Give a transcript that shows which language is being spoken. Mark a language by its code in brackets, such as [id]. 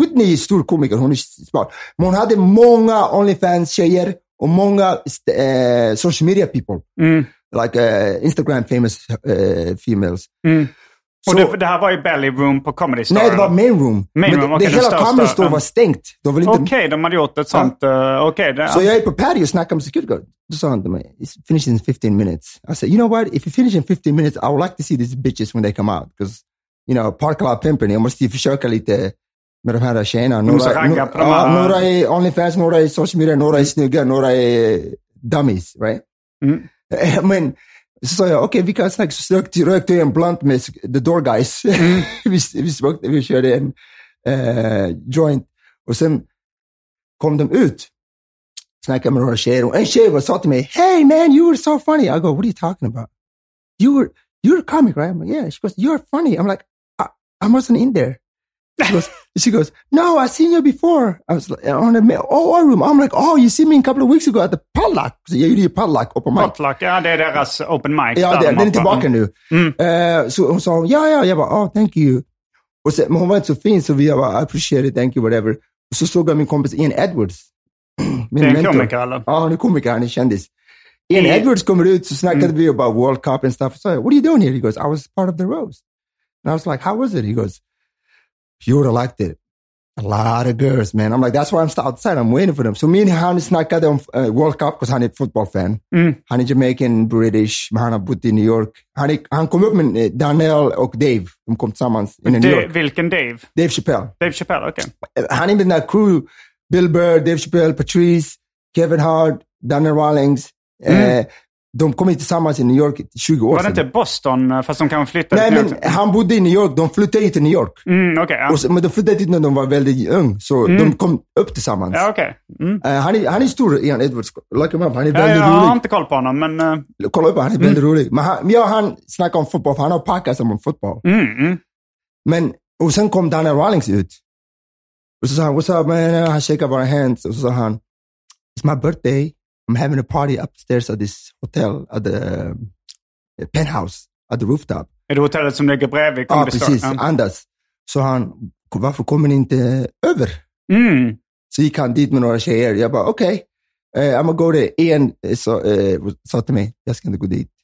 [sv] Whitney är stor komiker, hon är smart. Men hon hade många OnlyFans-tjejer och många social media people. Mm. [en] Like Instagram famous females. [sv] Mm. Och så, det här var ju belly room på Comedy Store? Nej, det var main room. Comedy Store var stängt. Okej, de hade gjort ett sånt. Så jag är på patio och snackar med security guard. Då sa han till mig, [en] it's finished in 15 minutes. I said, you know what? If you finish in 15 minutes, I would like to see these bitches when they come out. Because, you know, park a lot of pimping. [sv] Jag måste försöka lite med de här tjejerna. Några är OnlyFans, några är social media, några är snygga, några är dummies, right? Mm. Men så sa jag, okej, vi kan snacka. Så rökte jag en blunt med [en] the door guys. [sv] vi körde en joint. Och sen kom de ut. Snackade med några tjejer. Och en tjej sa till mig, [en] hey man, you were so funny. I go, what are you talking about? You're a comic, right? I'm like, yeah. She goes, you're funny. I'm like, I wasn't in there. She goes, no, I've seen you before. I was like, on the OR room. I'm like, oh, you see me a couple of weeks ago at the potluck. So yeah, you did a potluck, open mic. [sv] Potluck, ja, det är deras open mic. Ja, den är tillbaka nu. Så hon sa, ja, bara, [en] oh, thank you. [sv] Och så, men hon var inte så fin, så vi bara, [en] I appreciate it, thank you, whatever. [sv] Och så såg jag min kompis Ian Edwards. Min det är en mentor. Komiker, eller? Ja, han är komiker, han är kändis. Ian Edwards kommer ut, så snackade vi [en] about World Cup and stuff. So, what are you doing here? He goes, I was part of the roast. And I was like, how was it? He goes, you would have liked it. A lot of girls, man. I'm like, that's why I'm still outside. I'm waiting for them. So me and Hani snackade on World Cup because Hani is a football fan. [sv] Hani Jamaican, British. Hani bodde in New York. Han kom upp med Daniel och Dave. De kom tillsammans in New York. Vilken Dave? Dave Chappelle. Dave Chappelle, okay. Hani med den där crew. Bill Burr, Dave Chappelle, Patrice, Kevin Hart, Daniel Rawlings. De kom tillsammans i New York 20 år sedan. Var det inte Boston, fast de kan flytta? Nej, men han bodde i New York. De flyttade hit till New York. Okej. Men de flyttade hit när de var väldigt ung. Så de kom upp tillsammans. Ja, okej. Han är stor, Ian Edwards. [en] Like him up. [sv] Han är väldigt Jag har inte koll på honom, men kolla upp, han är väldigt rolig. Men han snackar om fotboll, för han har packat om fotboll. Men, och sen kom Daniel Rawlings ut. Och så sa han, what's up, man? Han shakade våra hands. Och så sa han, [en] it's my birthday. I'm having a party upstairs at this hotel, at the penthouse, at the rooftop. [sv] Är det hotellet som ligger bredvid? Ja, precis. Anders. Så han, varför kommer ni inte över? Så gick han dit med några tjejer. Jag bara, okej. Okay. [en] I'm gonna go to Ian. [sv] Så till mig, jag ska inte gå dit.